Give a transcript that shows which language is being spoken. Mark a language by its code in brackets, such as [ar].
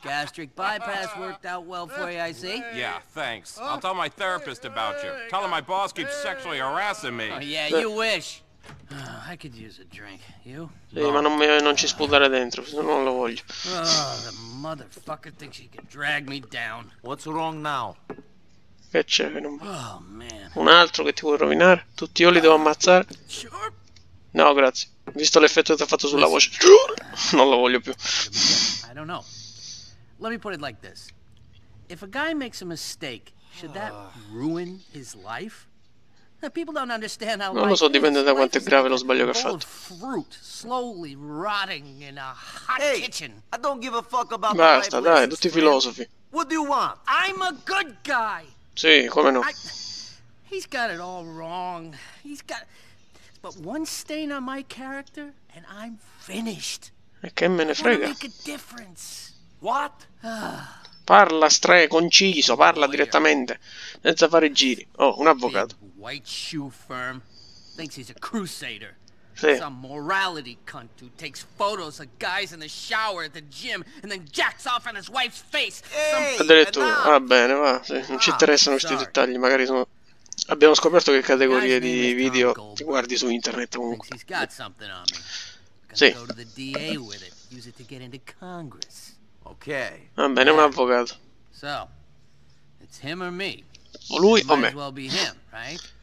[en] Gastric bypass worked out well for you, I see. Yeah, thanks. I'll tell my therapist about you. Tell him my boss keeps sexually harassing me. Oh yeah, you wish. I could use a drink. You? [it] Sì, ma non ci sputare dentro, se non lo voglio. [en] The motherfucker thinks he can drag me down. What's wrong now? [it] Che c'è? Un altro che ti vuoi rovinare? Tutti io li devo ammazzare? No, grazie. Visto l'effetto che ti ha fatto sulla voce. Non lo voglio più. [en] I don't know. Let me put it like this. If a guy makes a mistake, should that ruin his life? People don't understand how [it] non lo so, dipende da quanto è grave lo sbaglio che ha fatto. [en] Fruit slowly rotting in a hot kitchen. I don't give a fuck about [it] basta, dai, tutti i filosofi. [en] What do you want? I'm a good guy. [it] Sì, come no. [en] He's got it all wrong. He's got but one stain on my character and I'm finished. [it] E che me ne frega? [en] Make a difference. What? [it] Parla conciso, parla direttamente, senza fare giri. Oh, un avvocato. [en] white shoe firm. Thinks he's a crusader. [it] Sì. [en] Some morality cunt who takes photos of guys in the shower at the gym and then jacks off on his wife's face. [it] Addirittura. Ah, bene, va. Sì, non ci interessano questi dettagli. Magari sono... Abbiamo scoperto che categorie di video ti guardi su internet comunque. [en] Thinks he's got something on me. Sì. Go to the DA with it. Use it to get into Congress. [it] Okay. Va bene, un avvocato. [en] So, it's him or me. [it] O lui o me. [en] Might as well be him, right?